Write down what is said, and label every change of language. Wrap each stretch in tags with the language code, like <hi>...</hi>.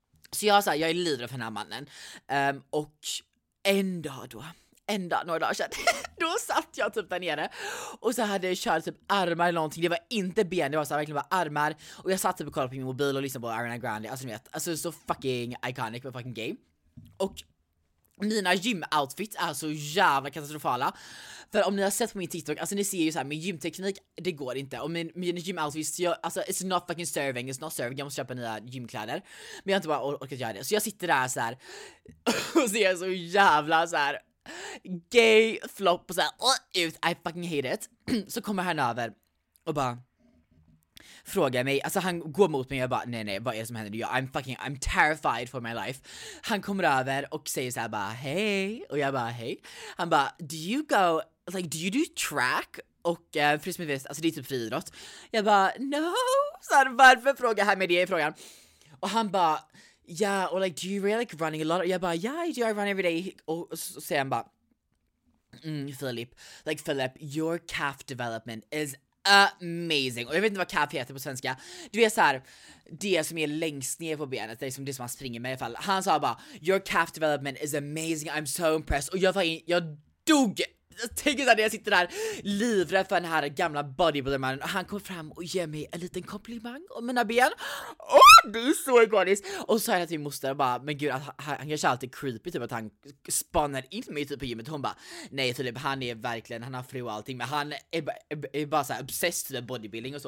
<sv>Så jag såhär, jag är livrädd för den här mannen. Och en dag då, några dagar sedan, då satt jag typ där nere och så hade jag kört typ armar eller någonting. Det var inte ben, det var så verkligen bara armar. Och jag satt typ och kollade på min mobil och lyssnade på Ariana Grande. Alltså ni vet, alltså så</sv> <en>fucking iconic</en> <sv>med fucking game. Och mina gym-outfits är så jävla katastrofala. För om ni har sett på min TikTok, alltså ni ser ju så här, min gymteknik, det går inte. Och min gym-outfits, alltså</sv> <en>it's not fucking serving.</en> <sv>Jag måste köpa nya gymkläder. Men jag har inte bara orkat göra det. Så jag sitter där så här och ser så jävla så här gay flop och såhär ut,</sv> <en>I fucking hate it.</en> <sv>Så kommer han över och bara frågar mig, alltså han går mot mig och jag bara nej, vad är det som händer? Jag,</sv> <en>I'm terrified for my life.</en> <sv>Han kommer över och säger såhär bara hej, och jag bara hej. Han bara,</sv> <en>do you do track?</en> <sv>Och frisk med vist, alltså det är typ friidrott. Jag bara no. Så här, varför frågar han mig det i frågan? Och han bara,</sv> <en>yeah, or like, do you really like running a lot?</en> <sv>Jag bara,</sv> <en>yeah, I do, I run every day.</en> <sv>Och så säger han bara,</sv> <en>Philip, your calf development is amazing.</en> <sv>Och jag vet inte vad calf heter på svenska. Du är såhär, det som är längst ner på benet, det är som det som man springer med i alla fall. Han sa bara,</sv> <en>your calf development is amazing, I'm so impressed.</en> <sv>Och jag dog Tänk så här, när jag sitter där livrädd för den här gamla bodybuildermannen, och han kommer fram och ger mig en liten komplimang om mina ben. Åh, du är så ikonisk. Och så säger jag till min moster bara, men gud, han kanske alltid är creepy, typ att han spanar in mig typ på gymmet. Hon bara, nej Filip, han är verkligen, han har fru och allting, men han är bara såhär obsessed med bodybuilding och så.</sv>